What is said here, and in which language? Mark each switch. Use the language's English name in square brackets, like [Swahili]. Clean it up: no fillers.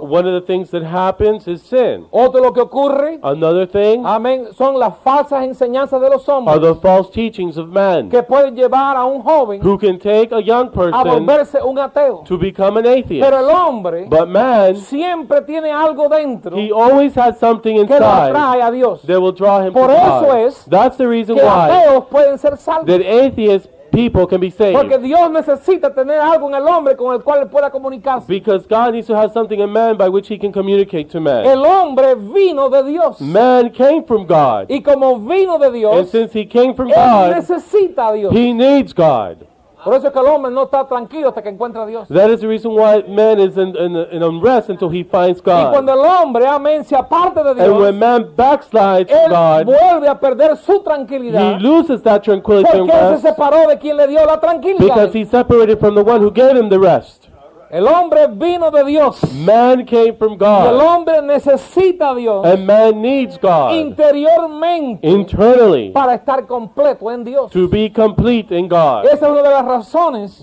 [English] One of the things that happens is sin. [Spanish] Otro lo que ocurre, [English] another thing, [Spanish] amen, son las falsas enseñanzas de los hombres, [English] are the false teachings of men, [Spanish] que pueden llevar a un joven, [English] who can take a young person [Spanish] a volverse un ateo, [English] to become an atheist. [Spanish] Pero el hombre, [English] but man, [Spanish] siempre tiene algo dentro, [English] he always has something inside. They will draw him [Spanish] por [English] to [Spanish] eso [English] God. [Spanish] Es [English] that's the reason why [Spanish] ser salvos. [English] That atheist people can be saved. [Spanish] Porque Dios necesita tener algo en el hombre con el cual pueda comunicarse. [English] Because God needs to have something in man by which he can communicate to man. [Spanish] El hombre vino de Dios. [English] Man came from God. [Spanish] Y como vino de Dios, [English] and since he came from God, [Spanish] necesita a Dios. [English] He needs God. [Spanish] Por eso es que el hombre no está tranquilo hasta que encuentra a Dios. [English] That is the reason why man is in unrest until he finds God. [Spanish] Y cuando el hombre, amén, se aparta de Dios, [English] and when man backslides [Spanish] él [English] God, [Spanish] vuelve a perder su tranquilidad. [English] He loses that tranquility and rest. [Spanish] Porque se separó de quien le dio la tranquilidad. [English] Because he separated from the one who gave him the rest. [Spanish] El hombre vino de Dios. [English] Man came from God. [Spanish] Y el hombre necesita a Dios. [English] And man needs God. [Spanish] Interiormente. [English] Internally. [Spanish] Para estar completo en Dios. [English] To be complete in God. [Spanish] Esa es una de las razones.